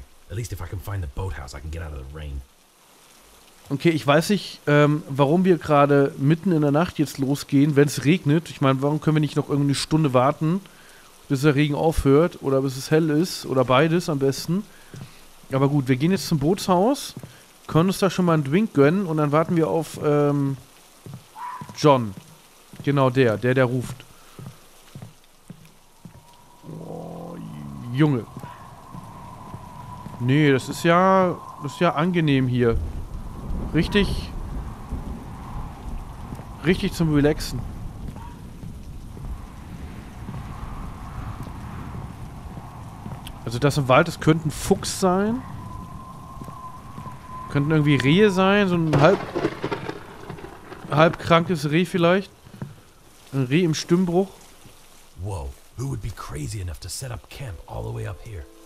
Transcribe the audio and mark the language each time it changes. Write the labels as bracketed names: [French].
[English] At least if I can find the boathouse, I can get out of the rain. [German] Okay, ich weiß nicht, warum wir gerade mitten in der Nacht jetzt losgehen, wenn es regnet. Ich meine, warum können wir nicht noch irgendeine Stunde warten, bis der Regen aufhört oder bis es hell ist oder beides am besten. Aber gut, wir gehen jetzt zum Bootshaus, können uns da schon mal einen Drink gönnen und dann warten wir auf John. Genau der ruft. Oh, Junge. Nee, das ist ja angenehm hier. Richtig. Richtig zum Relaxen. Also das im Wald, das könnte ein Fuchs sein. Könnten irgendwie Rehe sein, so ein halb krankes Reh vielleicht. Ein Reh im Stimmbruch. [English] Wow, who would be crazy enough to set up camp all the way up here?